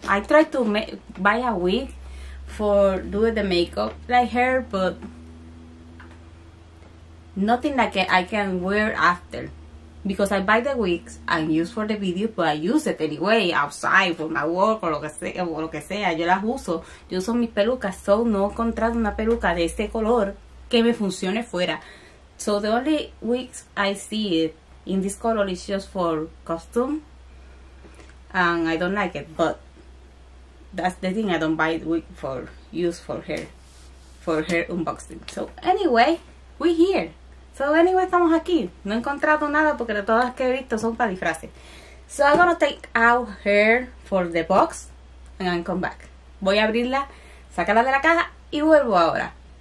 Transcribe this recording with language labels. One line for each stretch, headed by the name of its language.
English: I tried to buy a wig for doing the makeup like hair, but nothing like I can wear after because I buy the wigs and use for the video, but I use it anyway outside for my work
Spanish: o lo que sea. Yo las uso. Yo uso mis pelucas, so no he encontrado una peluca de este color que me funcione fuera.
English: So the only wigs I see it in this color is just for costume and I don't like it, but that's the thing, I don't buy it wig for use for hair unboxing. So anyway, we're here. So, anyway,
Spanish: estamos aquí. No he encontrado nada porque de todas que he visto son para disfraces.
English: So, I'm gonna take out her for the box and I'll come back.
Spanish: Voy a abrirla, sacarla de la caja y vuelvo ahora.